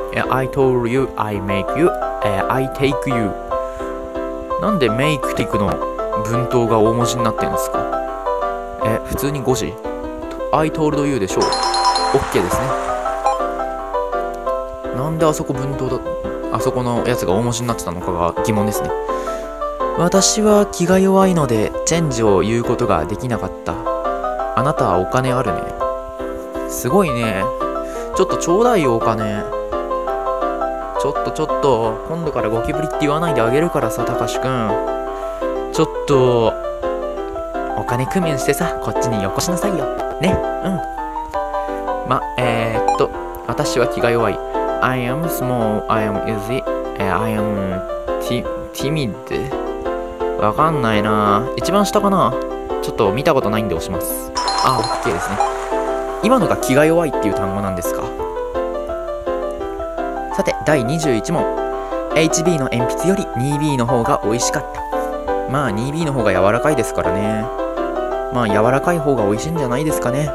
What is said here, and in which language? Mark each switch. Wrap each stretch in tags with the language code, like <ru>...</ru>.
<en>I told you, I make you, I take you。</en> <ja>なんで make take の文頭が大文字になってんですか。え、普通に5時</ja> <en>I told you</en> <ja>でしょう。 OK ですね。なんであそこ文頭だ、あそこのやつが大文字になってたのかが疑問ですね。私は気が弱いのでチェンジを言うことができなかった。あなたはお金あるね。すごいね。ちょっとちょうだいよお金。ちょっとちょっと、今度からゴキブリって言わないであげるからさ、たかしくん。ちょっと、お金工面してさ、こっちによこしなさいよ。ね、うん。ま、私は気が弱い。</ja> <en>I am small, I am easy, I am timid.</en> <ja>わかんないな。一番下かな。ちょっと見たことないんで押します。あ、OK ですね。今のが気が弱いっていう単語なんですか。さて、第21問。HB の鉛筆より 2B の方が美味しかった。まあ、2B の方が柔らかいですからね。まあ、柔らかい方が美味しいんじゃないですかね。</ja>